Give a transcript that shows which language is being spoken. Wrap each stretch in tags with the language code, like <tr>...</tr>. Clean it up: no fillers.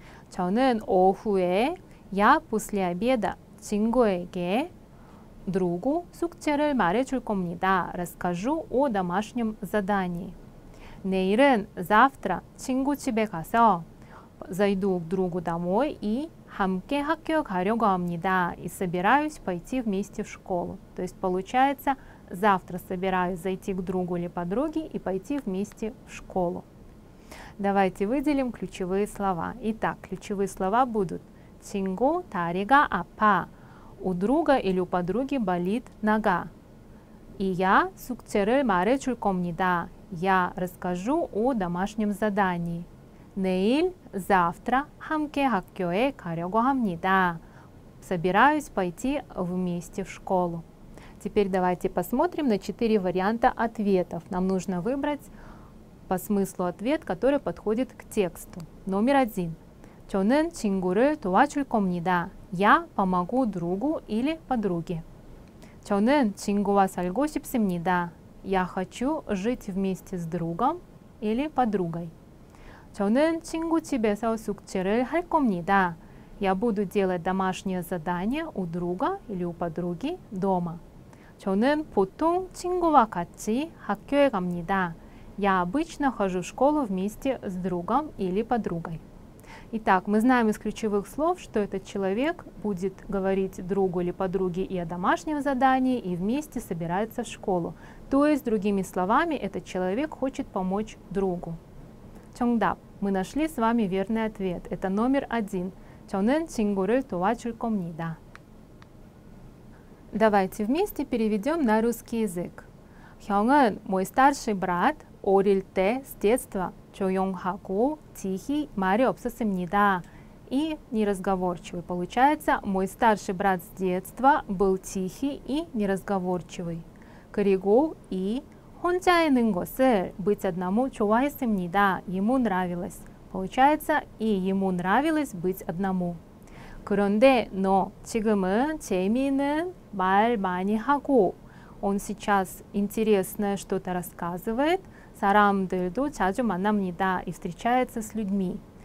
<ko>저는 오후에,</ko> <ru>я после обеда,</ru> <ko>친구에게,</ko> <ru>другу,</ru> <ko>숙제를 말해줄 겁니다.</ko> <ru>Расскажу о домашнем задании.</ru> <ko>내일은,</ko> <ru>завтра,</ru> <ko>친구 집에 가서,</ko> <ru>зайду к другу домой и</ru> <ko>함께 학교 가려고 합니다.</ko> <ru>И собираюсь пойти вместе в школу. То есть получается, завтра собираюсь зайти к другу или подруге и пойти вместе в школу. Давайте выделим ключевые слова. Итак, ключевые слова будут</ru> <ko>친구 다리가 아파.</ko> <ru>У друга или у подруги болит нога. И я</ru> <ko>숙제를 말해줄 겁니다.</ko> <ru>Я расскажу о домашнем задании.</ru> <ko>내일,</ko> <ru>завтра,</ru> <ko>함께 학교에 가려고 합니다.</ko> <ru>Собираюсь пойти вместе в школу. Теперь давайте посмотрим на 4 варианта ответов. Нам нужно выбрать по смыслу ответ, который подходит к тексту. Номер 1.</ru> <ko>저는 친구를 도와줄 겁니다.</ko> <ru>Я помогу другу или подруге.</ru> <ko>저는 친구와 살고 싶습니다.</ko> <ru>Я хочу жить вместе с другом или подругой.</ru> <ko>저는 친구 집에서 숙제를 할 겁니다.</ko> <ru>Я буду делать домашнее задание у друга или у подруги дома.</ru> <ko>저는 보통 친구와 같이 학교에 갑니다.</ko> <ru>Я обычно хожу в школу вместе с другом или подругой. Итак, мы знаем из ключевых слов, что этот человек будет говорить другу или подруге и о домашнем задании, и вместе собирается в школу. То есть, другими словами, этот человек хочет помочь другу. Чонгдап. Мы нашли с вами верный ответ. Это номер один.</ru> <ko>저는 친구를 도와줄 겁니다.</ko> <ru>Давайте вместе переведем на русский язык.</ru> <ko>형은</ko> <ru>мой старший брат,</ru> <ko>어릴 때,</ko> <ru>с детства,</ru> <ko>조용하고,</ko> <ru>тихий,</ru> <ko>말이 없었습니다.</ko> <ru>И неразговорчивый. Получается, мой старший брат с детства был тихий и неразговорчивый.</ru> <ko>그리고</ko> <ru>и</ru> <ko>혼자 있는 것을</ko> <ru>быть одному</ru> <ko>좋아했습니다.</ko> <ru>Ему нравилось. Получается, и ему нравилось быть одному.</ru> <ko>그런데,</ko> <ru>но</ru> <ko>지금은 재미있는 말 많이 하고,</ko> <ru>он сейчас интересное что-то рассказывает,</ru> <ko>사람들도 자주 만납니다,</ko> <ru>и встречается с людьми.</ru>